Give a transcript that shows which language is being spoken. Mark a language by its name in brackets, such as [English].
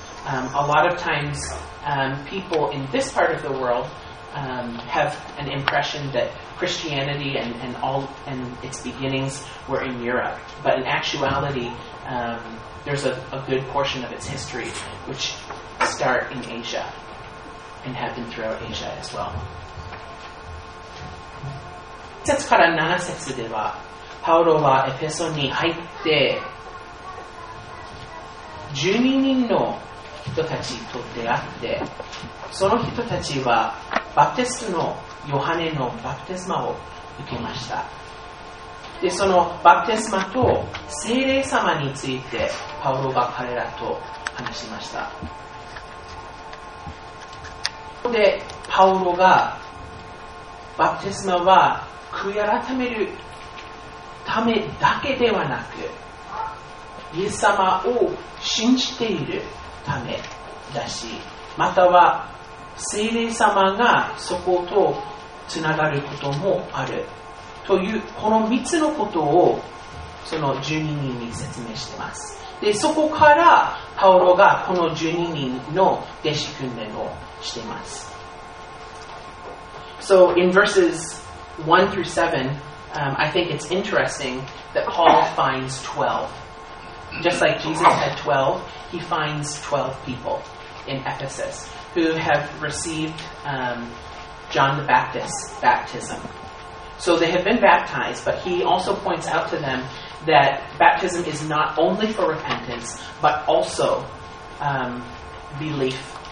[English] A lot of times, people in this part of the world have an impression that Christianity and its beginnings were in Europe. But in actuality, there's a good portion of its history which start in Asia and have been throughout Asia as well. [Japanese] 節から7節ではパウロはエフェソに入って12人の人たちと出会って、その人たちはバプテストのヨハネのバプテスマを受けました。でそのバプテスマと聖霊様についてパウロが彼らと話しました。でパウロがバプテスマは悔い改めるためだけではなく、イエス様を信じているためだし、または聖霊様がそことつながることもあるという、この3つのことをその12人に説明しています。でそこからパウロがこの12人の弟子訓練をしています。 [English] So in verses 1 through 7、I think it's interesting that Paul finds 12. Just like Jesus had 12, he finds 12 people in Ephesus who have received John the Baptist's baptismSo they have been baptized, but he also points out to them that baptism is not only for repentance, but also belief